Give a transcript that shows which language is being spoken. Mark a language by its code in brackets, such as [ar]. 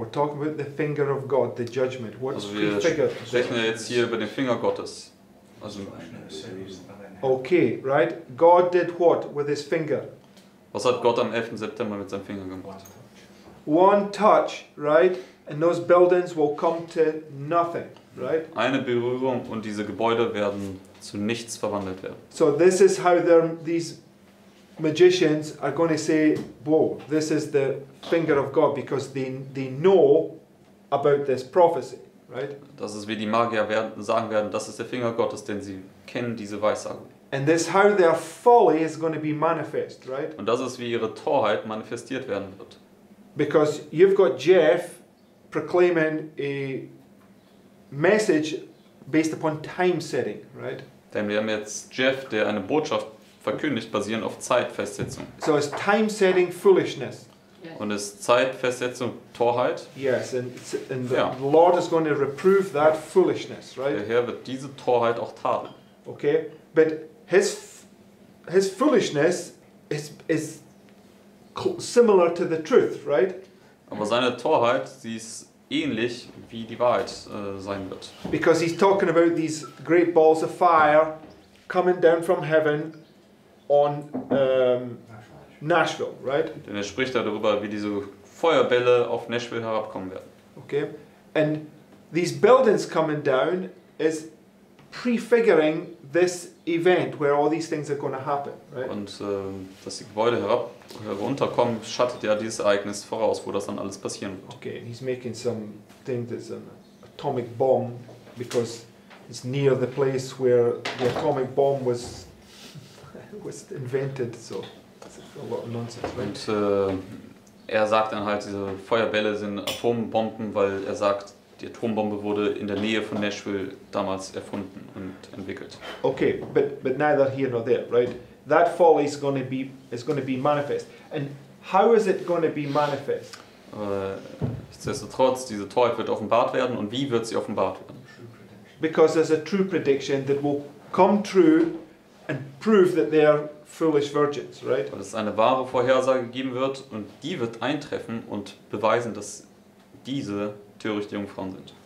[en] We're talking about the finger of God, the judgment. What's prefigured? [de] Also wir sprechen ja jetzt hier über den Finger Gottes. Also [en] okay, right? God did what with his finger? [de] Was hat Gott am 11. September mit seinem Finger gemacht? [en] One touch, right? And those buildings will come to nothing, right? [de] Eine Berührung und diese Gebäude werden zu nichts verwandelt werden. [en] So this is how these magicians are going to say, "Whoa, this is the finger of God," because they know about this prophecy, right? [de] Das ist, wie die Magier sagen werden, das ist der Finger Gottes, denn sie kennen diese Weissagung. [en] And this is how their folly is going to be manifest, right? [de] Und das ist, wie ihre Torheit manifestiert werden wird. [en] Because you've got Jeff proclaiming a message based upon time setting, right? [de] Denn wir haben jetzt Jeff, der eine Botschaft verkündigt, basierend auf Zeitfestsetzung. [en] So is time setting foolishness. [de] Und ist Zeitfestsetzung Torheit? [en] Yes, and the Lord is going to reprove that foolishness, right? [de] Der Herr wird diese Torheit auch tadeln. [en] Okay, but his foolishness is similar to the truth, right? [de] Aber seine Torheit, sie ist ähnlich wie die Wahrheit sein wird. [en] Because he's talking about these great balls of fire coming down from heaven on Nashville, right? [de] Denn er spricht darüber, wie diese Feuerbälle auf Nashville herabkommen werden. [en] Okay, and these buildings coming down is prefiguring this event where all these things are going to happen, right? [de] Und dass die Gebäude herunterkommen, schattet ja dieses Ereignis voraus, wo das dann alles passieren wird. [en] Okay, he's making some thing that's an atomic bomb because it's near the place where the atomic bomb was invented, so it's a lot of nonsense, right? [de] Und er sagt dann halt, diese Feuerbälle sind Atombomben, weil er sagt, die Atombombe wurde in der Nähe von Nashville damals erfunden und entwickelt. [en] Okay, but neither here nor there, right? That folly is going to be manifest. And how is it going to be manifest? [de] Nichtsdestotrotz, diese Torheit wird offenbart werden. Und wie wird sie offenbart werden? [en] Because there's a true prediction that will come true and prove that they are foolish virgins, right? [de] Weil es eine wahre Vorhersage geben wird und die wird eintreffen und beweisen, dass diese törichte Jungfrauen sind.